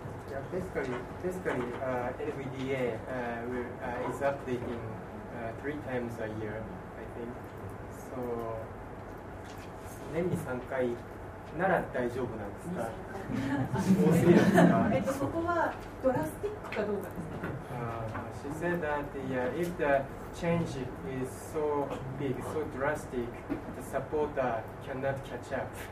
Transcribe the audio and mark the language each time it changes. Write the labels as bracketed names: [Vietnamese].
[English] Yeah, basically NVDA is updating 3 times a year, I think. [Japanese] So, 年に3回なら大丈夫なんですか？多すぎるんですか？そこはドラスティックかどうかですか？ [English] She said that if the change is so big, so drastic, the supporter cannot catch up.